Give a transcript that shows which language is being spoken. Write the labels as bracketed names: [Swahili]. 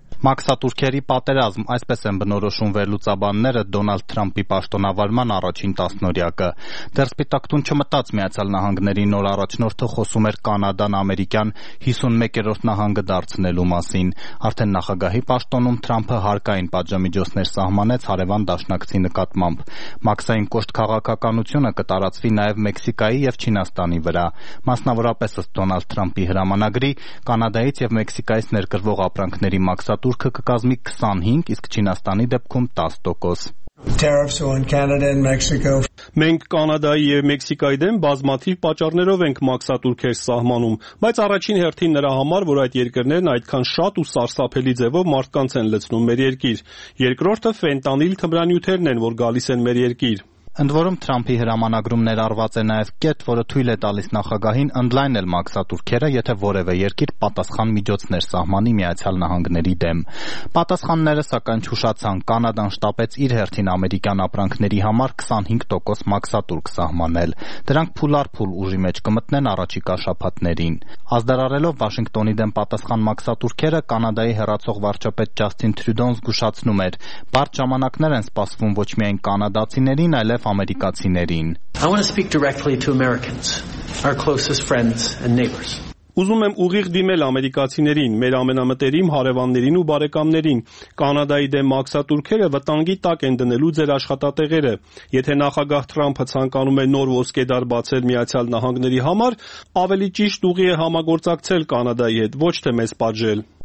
[Armenian] Մաքսատուրքերի պատերազմ, այսպես են բնորոշում վերլուծաբանները Դոնալդ Թրամփի պաշտոնավարման առաջին տասնօրյակը։ Դեռ Սպիտակ տուն չմտած Միացյալ Նահանգների նոր առաջնորդը խոսում էր Կանադան ամերիկյան 51-րդ նահանգը դարձնելու մասին։ Արդեն նախագահի պաշտոնում Թրամփը հարկային պատժամիջոցներ սահմանեց հարևան դաշնակցի նկատմամբ։ Մաքսային կոշտ քաղաքականությունը կտարածվի նաև Մեքսիկայի և Չինաստանի վրա։ Մասնավորապես ըստ Դոնալդ Թրամփի հրամանագրի, Կանադայից և Մեքսիկայից ներգրվող ապրանքների մաքսատուրքը կկազմի 25%, իսկ Չինաստանի դեպքում 10%։ [English] Tariffs on Canada and Mexico. [Armenian] Մենք Կանադայի եւ Մեքսիկայի դեմ բազմաթիվ պատճառներով ենք մաքսատուրքեր սահմանում, բայց առաջին հերթին նրա համար, որ այդ երկրներն այդքան շատ ու սարսափելի ձևով մարդկանց են լցնում մեր երկիր, երկրորդը ֆենտանիլ թմրանյութերն են, որ գալիս են մեր երկիր։ Ընդ որում Թրամփի հրամանագրում ներառված է նաև կետ, որը թույլ է տալիս նախագահին ընդլայնել մաքսատուրքերը, եթե որևէ երկիր պատասխան միջոցներ սահմանի Միացյալ Նահանգների դեմ։ Պատասխանները, սակայն, չուշացան, Կանադան շտապեց իր հերթին ամերիկյան ապրանքների համար 25% մաքսատուրք սահմանել։ Դրանք փուլ-առփուլ ուժի մեջ կմտնեն առաջիկա շաբաթներին։ Ազդարարելով Վաշինգտոնի դեմ պատասխան մաքսատուրքերը, Կանադայի հեռացող վարչապետ Ջասթին Թրյուդոն զգուշացնում էր. «Բարդ ժամանակներ են սպասվում ոչ միայն կանադացիներին, այլ ամերիկացիներին»։ [English] I want to speak directly to Americans, our closest friends and neighbors. [Armenian] Ուզում եմ ուղիղ դիմել ամերիկացիներին, մեր ամենամտերիմ հարևաններին ու բարեկամներին։ Կանադայի դեմ մաքսատուրքերը վտանգի տակ են դնելու ձեր աշխատատեղերը։ Եթե նախագահ Թրամփը ցանկանում է նոր ոսկեդար բացել Միացյալ Նահանգների համար, ավելի ճիշտ ուղի է համագործակցել Կանադայի հետ, ոչ թե մեզ պատժել։